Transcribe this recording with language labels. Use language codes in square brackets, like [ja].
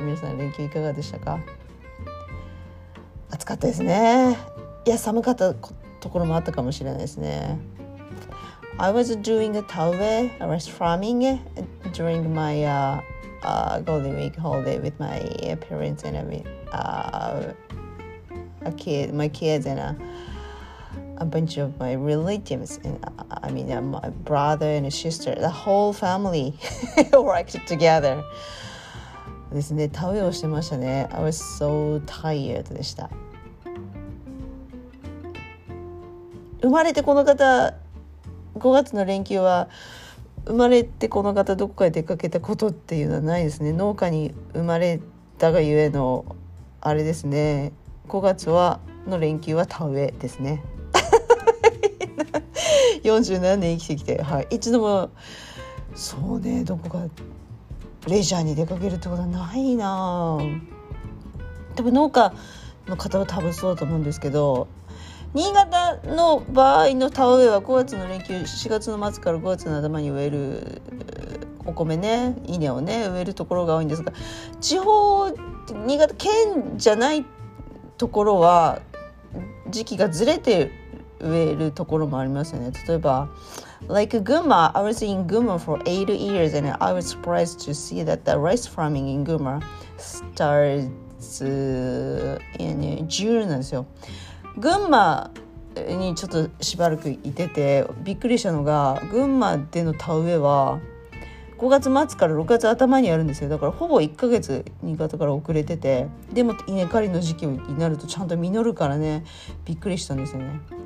[ja] 皆さん連休いかがでしたか？暑かったですね。いや、寒かったところもあったかもしれないですね。 [en] I was doing a 田植え I was farming during my golden week holiday with my parents and my kids and a bunch of my relatives, and my brother and a sister, the whole family worked together. [ja] ですね、田植えをしてましたね。 [en] I was so tired でした。 [ja] 生まれてこの方、5月の連休は、生まれてこの方どこかへ出かけたことっていうのはないですね。農家に生まれたがゆえの、あれですね、5月はの連休は田植えですね。 47年生きてきて、はい、一度もそうね、どこかレジャーに出かけるってことはないな。多分農家の方は多分そうだと思うんですけど、新潟の場合の田植えは5月の連休、4月の末から5月の頭に植えるお米ね、稲をね、植えるところが多いんですが、地方、新潟県じゃないところは時期がずれてる植えるところもありますよね。 [en] 例えば Like Guma, I was in Guma for 8 years, and I was surprised to see that the rice farming in Guma starts in June [ja] なんですよ。 Guma にちょっとしばらくいてて、びっくりしたのが、Guma での田植えは5月末から6月頭にあるんですよ。だからほぼ1ヶ月新潟から遅れてて、でも稲刈りの時期になるとちゃんと実るからね、びっくりしたんですよね。